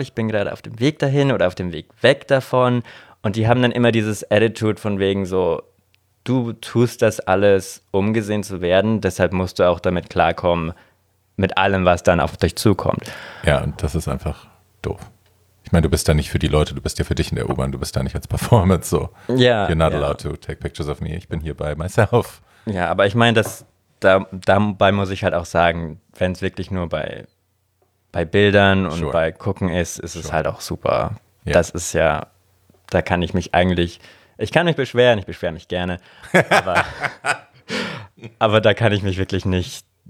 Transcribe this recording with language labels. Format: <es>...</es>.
<de>Ich bin gerade auf dem Weg dahin oder auf dem Weg weg davon. Und die haben dann immer dieses Attitude von wegen so, du tust das alles, um gesehen zu werden. Deshalb musst du auch damit klarkommen, mit allem, was dann auf dich zukommt. Ja, und das ist einfach doof. Ich meine, du bist da nicht für die Leute, du bist ja für dich in der U-Bahn, du bist da nicht als Performance so. Ja.</de> <en>You're not allowed to take pictures of me,</en> <de>ich bin hier</de> <en>by myself.</en> <de>Ja, aber ich meine, dabei muss ich halt auch sagen, wenn es wirklich nur bei Bildern und bei Gucken ist es halt auch super. Ja. Das ist ja, da kann ich mich eigentlich, ich kann mich beschweren, ich beschwere mich gerne, aber da kann ich mich wirklich nicht</de>